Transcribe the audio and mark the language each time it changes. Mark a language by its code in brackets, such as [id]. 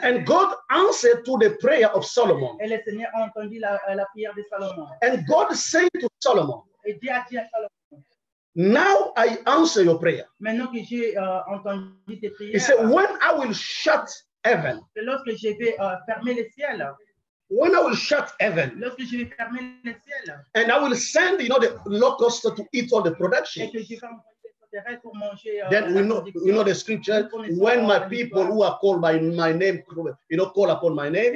[en] And God answered to the prayer of Solomon. [fr] Et le Seigneur a entendu la prière de Salomon. [en] And God said to Solomon. [fr] Et Dieu a dit à Salomon. [en] Now I answer your prayer. [fr] Maintenant que j'ai entendu tes prières. [en] He said, when I will shut heaven. [fr] Lorsque je vais fermer le ciel. [en] When I will shut heaven. [fr] Lorsque je vais fermer le ciel. [en] And I will send, you know, the locust to eat all the production. [fr] Et que je vais envoyer les sauterelles pour manger. [en] Then we know the scripture. When my people who are called by my name, you know, call upon my name.